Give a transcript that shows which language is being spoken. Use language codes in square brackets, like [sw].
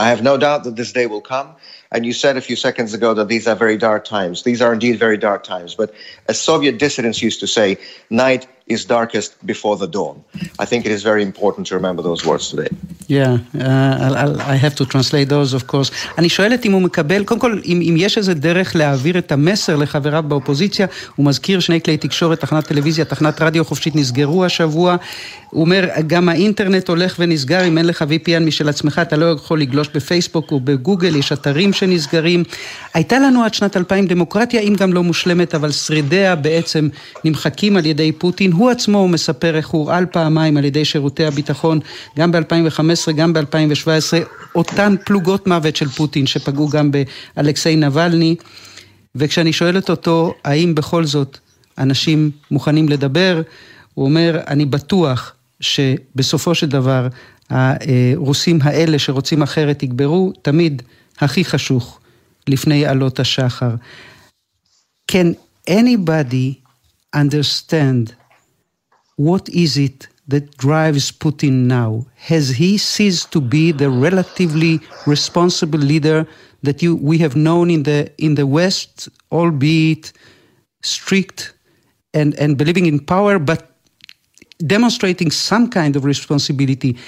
[en] I have no doubt that this day will come. And you said a few seconds ago that these are very dark times. These are indeed very dark times. But as Soviet dissidents used to say, night is darkest before the dawn. I think it is very important to remember those words today. Yeah, I have to translate those, of course. [he] אני שואלת אם הוא מקבל, קודם כל, אם יש איזה דרך להעביר את המסר לחבריו באופוזיציה, הוא מזכיר שני כלי תקשורת, תחנת טלוויזיה, תחנת רדיו חופשית נסגרו השבוע, הוא אומר, גם האינטרנט הולך ונסגר, אם אין לך VPN משל עצמך, אתה לא יכול לגלוש בפייסבוק או בגוגל, יש אתרים שנסגרים. הייתה לנו עד שנת 2000 דמוקרטיה, אם גם לא מושלמת, אבל שרידיה בעצם נמחקים על ידי פוטין. הוא עצמו מספר איך הוא על פעמיים על ידי שירותי הביטחון, גם ב-2015, גם ב-2017, אותן פלוגות מוות של פוטין שפגעו גם באלכסיי נבלני. וכשאני שואלת אותו, האם בכל זאת אנשים מוכנים לדבר, הוא אומר, אני בטוח שבסופו של דבר הרוסים האלה שרוצים אחרת יגברו, תמיד הכי חשוך לפני עלות השחר. [en] Can anybody understand what is it that drives Putin now? Has he ceased to be the relatively responsible leader that we have known in the West, albeit strict and believing in power, but demonstrating some kind of responsibility?